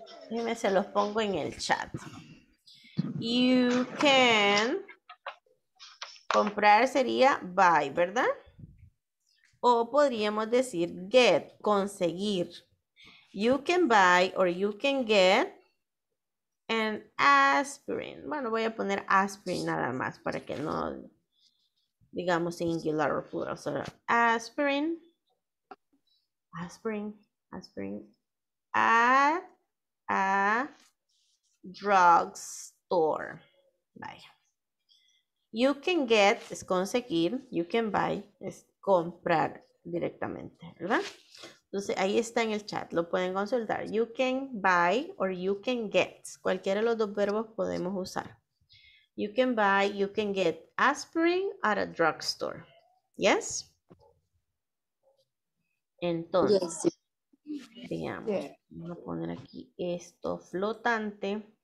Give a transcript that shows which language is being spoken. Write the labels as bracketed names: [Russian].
[Spanish] Dime, se los pongo en el chat. [English] You can [Spanish] comprar sería [English] buy, [Spanish] ¿verdad? O podríamos decir get, conseguir. [English] You can buy or you can get an aspirin. [Spanish] Bueno, voy a poner aspirin nada más para que no digamos singular o plural. [English] So, aspirin. Aspirin. Aspirin. A drugstore. [Spanish] Vaya. [English] You can get, [Spanish] es conseguir. [English] You can buy, [Spanish] es comprar directamente, ¿verdad? Entonces, ahí está en el chat. Lo pueden consultar. [English] You can buy or you can get. [Spanish] Cualquiera de los dos verbos podemos usar. [English] You can buy, you can get aspirin at a drugstore. ¿Yes? [Spanish] Entonces, veamos. Vamos a poner aquí esto flotante.